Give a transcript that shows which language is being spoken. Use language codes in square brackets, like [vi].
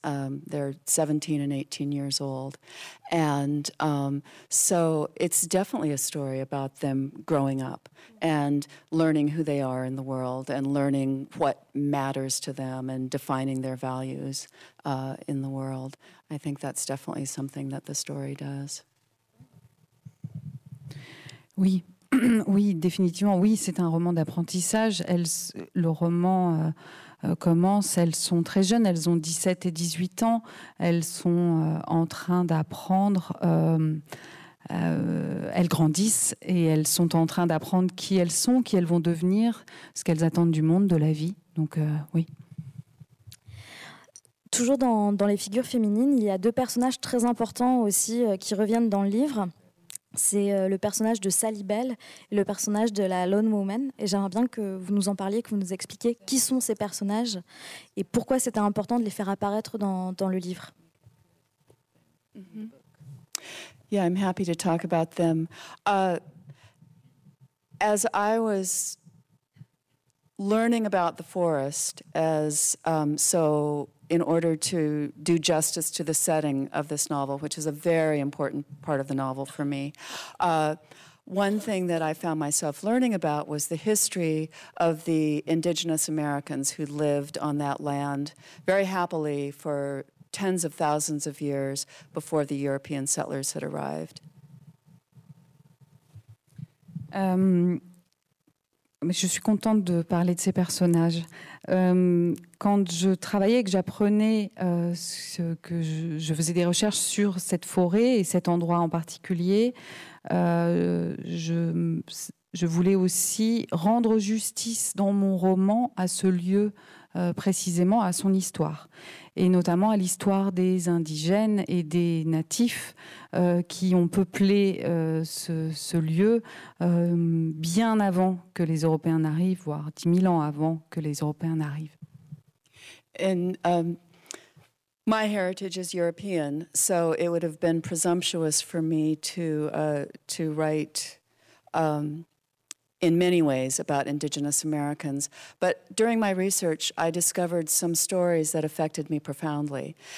[en] They're 17 and 18 years old, and so it's definitely a story about them growing up and learning who they are in the world and learning what matters to them and defining their values in the world. I think that's definitely something that the story does. [fr] Oui, oui, définitivement, oui, c'est un roman d'apprentissage. Le roman commence, elles sont très jeunes, elles ont 17 et 18 ans, elles sont en train d'apprendre, elles grandissent et elles sont en train d'apprendre qui elles sont, qui elles vont devenir, ce qu'elles attendent du monde, de la vie, donc oui. Toujours dans les figures féminines, il y a deux personnages très importants aussi qui reviennent dans le livre. C'est le personnage de Sally Bell, le personnage de la Lone Woman. Et j'aimerais bien que vous nous en parliez, que vous nous expliquiez qui sont ces personnages et pourquoi c'était important de les faire apparaître dans le livre. [en] Mm-hmm. Yeah, I'm happy to talk about them. As I was learning about the forest, as so in order to do justice to the setting of this novel, which is a very important part of the novel for me, one thing that I found myself learning about was the history of the indigenous Americans who lived on that land very happily for tens of thousands of years before the European settlers had arrived. [fr] Mais je suis contente de parler de ces personnages. Quand je travaillais et que j'apprenais ce que je faisais des recherches sur cette forêt et cet endroit en particulier, je voulais aussi rendre justice dans mon roman à ce lieu précisément, à son histoire, et notamment à l'histoire des indigènes et des natifs qui ont peuplé ce lieu bien avant que les Européens n'arrivent, voire 10 000 ans avant que les Européens n'arrivent. [en] And, my heritage is European, so it would have been presumptuous for me to write in many ways about indigenous Americans. But during my research, I discovered some stories that affected me profoundly.